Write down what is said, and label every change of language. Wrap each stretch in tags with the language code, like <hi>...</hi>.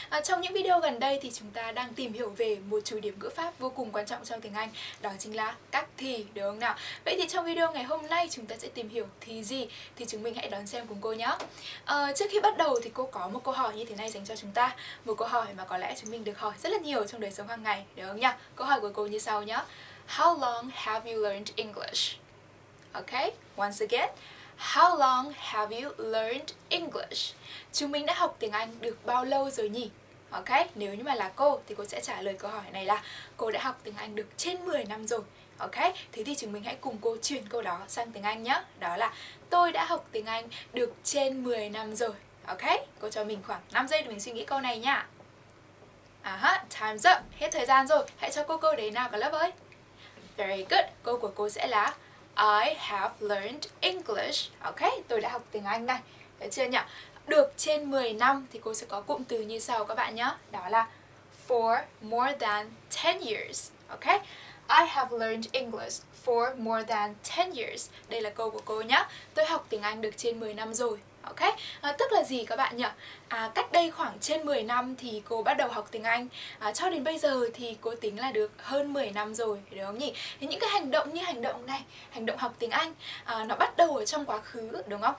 <vi>Trong những video gần đây thì chúng ta đang tìm hiểu về một chủ điểm ngữ pháp vô cùng quan trọng trong tiếng Anh, đó chính là các thì, đúng không nào? Vậy thì trong video ngày hôm nay chúng ta sẽ tìm hiểu thì gì? Thì chúng mình hãy đón xem cùng cô nhé. Trước khi bắt đầu thì cô có một câu hỏi như thế này dành cho chúng ta. Một câu hỏi mà có lẽ chúng mình được hỏi rất là nhiều trong đời sống hàng ngày, đúng không nhá? Câu hỏi của cô như sau nhá.</vi> <en>How long have you learned English? Okay, once again, how long have you learned English?</en> <vi>Chúng mình đã học tiếng Anh được bao lâu rồi nhỉ? Okay, nếu như mà là cô thì cô sẽ trả lời câu hỏi này là cô đã học tiếng Anh được trên 10 năm rồi. Okay, thế thì chúng mình hãy cùng cô chuyển câu đó sang tiếng Anh nhé. Đó là tôi đã học tiếng Anh được trên 10 năm rồi. Okay, cô cho mình khoảng 5 giây để mình suy nghĩ câu này nha. Aha,</vi> <en>time's up,</en> <vi>hết thời gian rồi. Hãy cho cô câu đấy nào cả lớp ơi.</vi> <en>Very good,</en> <vi>câu của cô sẽ là</vi> <en>I have learned English.</en> <vi>Ok, tôi đã học tiếng Anh này. Được chưa nhỉ? Được trên 10 năm thì cô sẽ có cụm từ như sau các bạn nhé. Đó là</vi> <en>for more than 10 years. Ok, I have learned English for more than 10 years.</en> <vi>Đây là câu của cô nhé. Tôi học tiếng Anh được trên 10 năm rồi. Ok, tức là gì các bạn nhỉ? Cách đây khoảng trên 10 năm thì cô bắt đầu học tiếng Anh. Cho đến bây giờ thì cô tính là được hơn 10 năm rồi, đúng không nhỉ? Thì những cái hành động như hành động này, hành động học tiếng Anh, nó bắt đầu ở trong quá khứ, đúng không?</vi>